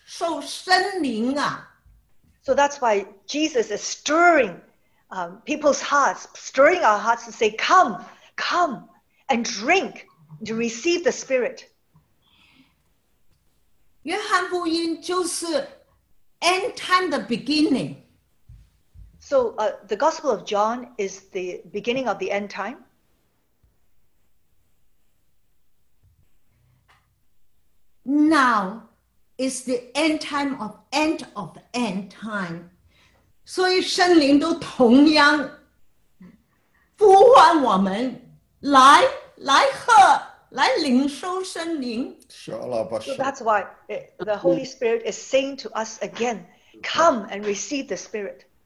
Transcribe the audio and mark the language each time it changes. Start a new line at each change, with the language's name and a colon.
Chinese: 这就是为什么最后主耶稣在这一个最后的这一天来搅动我们要来喝水啊，来要受圣灵啊。So
English: that's why Jesus is stirring people's hearts, stirring our hearts to say, come, come. And drink to receive the Spirit.
Chinese: 约翰福音就是
English: end time, the beginning. So the Gospel of John is the beginning of the end time? Now is the end time of end of end time.
Chinese: 所以圣灵都同样呼唤我们来领受圣灵。
English: So that's why the Holy Spirit is saying to us again, come and receive the Spirit.